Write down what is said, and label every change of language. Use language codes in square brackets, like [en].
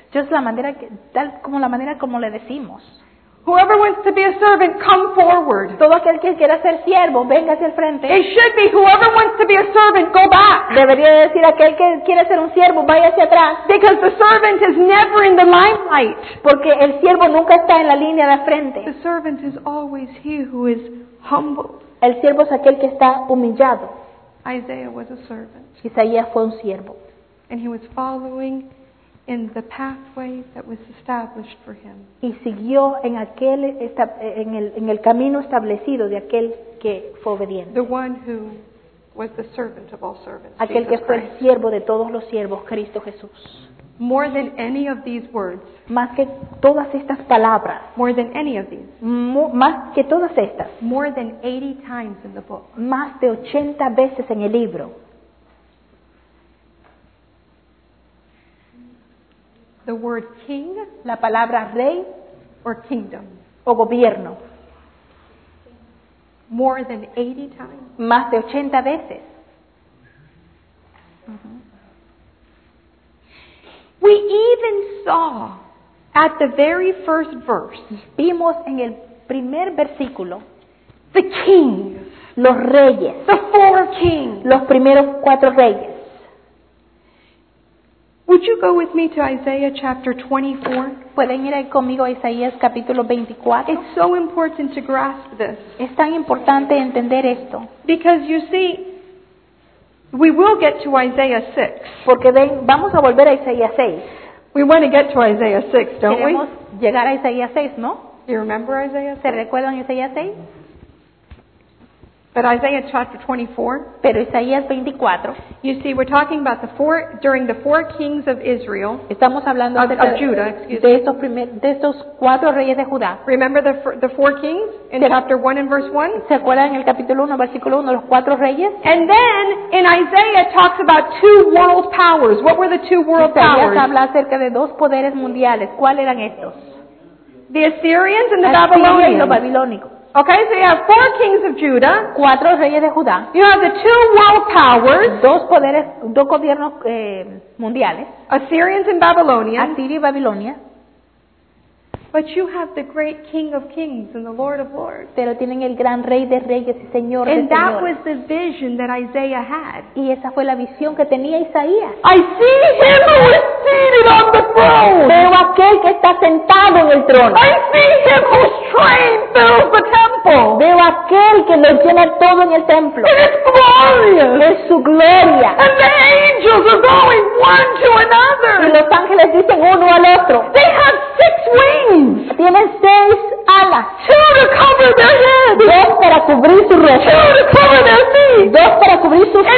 [es] Just la manera que, tal como la manera como le decimos. [en] Whoever wants to be a servant, come forward. [es] Todo aquel que quiera ser siervo, venga hacia el frente. [en] It should be whoever wants to be a servant, go back. [es] Debería decir aquel que quiere ser un siervo, vaya hacia atrás. [en] Because the servant is never in the limelight. [es] Porque el siervo nunca está en la línea de frente. [en] The servant is always he who is humble. [es] El siervo es aquel que está humillado. [en] Isaiah was a servant. [es] Isaías fue un siervo. [en] And he was following in the pathway that was established for him. [es] Y siguió en aquel en el camino establecido de aquel que fue obediente. [en] The one who was the servant of all servants. [es] Aquel que fue el siervo de todos los siervos, Cristo Jesús. [en] More than any of these words. [es] Más que todas estas palabras. [en] More than any of these. [es] Más que todas estas. [en] More than 80 times in the book. [es] Más de 80 veces en el libro. [en] The word king, [es] la palabra rey, [en] or kingdom, [es] o gobierno, [en] more than 80 times, [es] más de 80 veces. [en] We even saw at the very first verse, [es] vimos en el primer versículo, [en] the kings, [es] los reyes, [en] the four kings, [es] los primeros cuatro reyes. [en] Would you go with me to Isaiah chapter 24? [es] ¿Pueden ir conmigo a Isaías capítulo 24? [en] It's so important to grasp this. [es] Es tan importante entender esto. [en] Because you see, we will get to Isaiah 6. [es] Porque ven, vamos a volver a Isaías 6. [en] We want to get to Isaiah 6, don't [es] Queremos [en] we? [es] Queremos llegar a Isaías 6, ¿no? [en] You remember Isaiah 6? [es] ¿Se recuerdan Isaías 6? [en] But Isaiah chapter 24. [es] Pero Isaías 24. [en] You see, we're talking about the four during the four kings of Israel. [es] Estamos hablando [en] of Judah, excuse me. [es] De estos cuatro reyes de Judá. [en] Remember the four kings in chapter 1 and verse 1? [es] ¿Se acuerdan en el capítulo 1, versículo 1, los cuatro reyes? [en] And then in Isaiah talks about two world powers. What were the two world powers? [es] Isaías habla acerca de dos poderes mundiales. ¿Cuáles eran estos? [en] The Assyrians and the Babylonians. [es] Los babilónicos. [en] Okay, so you have four kings of Judah. [es] Cuatro reyes de Judá. [en] You have the two world powers. [es] Dos poderes, dos gobiernos mundiales. [en] Assyrians and Babylonians. [es] Asiria y Babilonia. [en] But you have the great King of Kings and the Lord of Lords. [es] Pero tienen el gran rey de reyes y señor de señores. [en] And that was the vision that Isaiah had. [es] Y esa fue la visión que tenía Isaías. [en] I see him who is seated on the throne. [es] Veo aquel que está sentado en el trono. [en] I see him whose train fills the temple. [es] Veo aquel que lo llena todo en el templo. [en] It is glorious. [es] Es su gloria. [en] And the angels are going one to another. [es] Y los ángeles dicen uno al otro. [en] They have six wings. [es] Tienen seis alas. [en] Two to cover their head. [es] Dos para cubrir su rostro. [en] Two to cover their feet. [es] Dos para cubrir sus pies.